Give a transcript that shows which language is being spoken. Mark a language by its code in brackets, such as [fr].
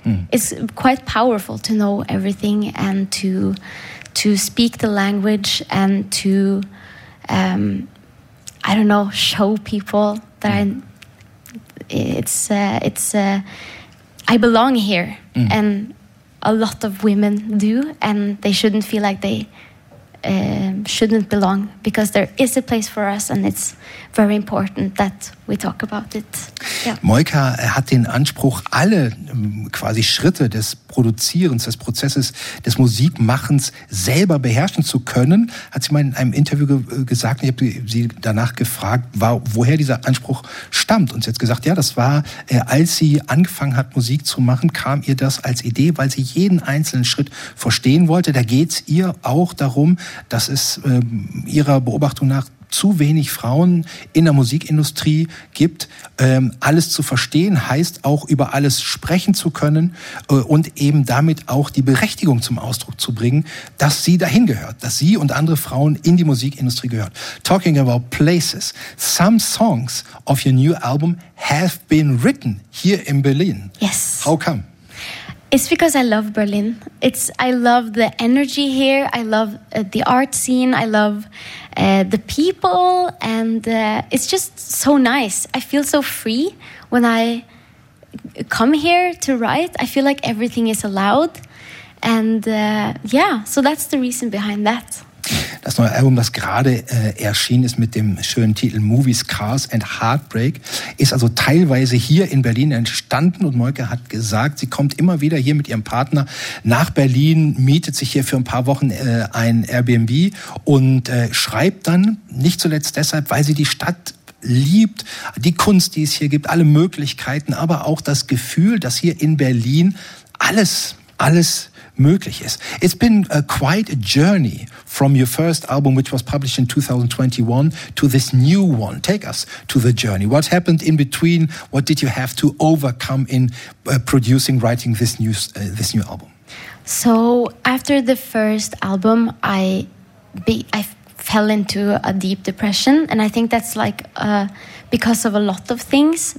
[en] It's quite powerful to know everything and to speak the language and to show people that I belong here. And a lot of women do, and they shouldn't feel like they shouldn't belong, because there is a place for us and it's very important that we talk about it. Yeah. [de] Moika hat den Anspruch, alle quasi Schritte des Produzierens, des Prozesses, des Musikmachens selber beherrschen zu können, hat sie mal in einem Interview gesagt. Ich habe sie danach gefragt, woher dieser Anspruch stammt. Und sie hat gesagt, ja, das war, als sie angefangen hat, Musik zu machen, kam ihr das als Idee, weil sie jeden einzelnen Schritt verstehen wollte. Da geht's ihr auch darum, dass es ihrer Beobachtung nach zu wenig Frauen in der Musikindustrie gibt. Alles zu verstehen heißt auch, über alles sprechen zu können und eben damit auch die Berechtigung zum Ausdruck zu bringen, dass sie dahin gehört, dass sie und andere Frauen in die Musikindustrie gehört. [en] Talking about places, some songs of your new album have been written here in Berlin. Yes. How come? It's because I love Berlin. I love the energy here. I love the art scene. I love the people. And it's just so nice. I feel so free when I come here to write. I feel like everything is allowed. And yeah, so that's the reason behind that. [de] Das neue Album, das gerade erschienen ist mit dem schönen Titel Movies, Cars and Heartbreak, ist also teilweise hier in Berlin entstanden. Und Moika hat gesagt, sie kommt immer wieder hier mit ihrem Partner nach Berlin, mietet sich hier für ein paar Wochen ein Airbnb und schreibt dann, nicht zuletzt deshalb, weil sie die Stadt liebt, die Kunst, die es hier gibt, alle Möglichkeiten, aber auch das Gefühl, dass hier in Berlin alles möglich ist. [en] It's been quite a journey from your first album, which was published in 2021, to this new one. Take us to the journey. What happened in between? What did you have to overcome in producing, writing this new album? So after the first album, I fell into a deep depression, and I think that's like because of a lot of things.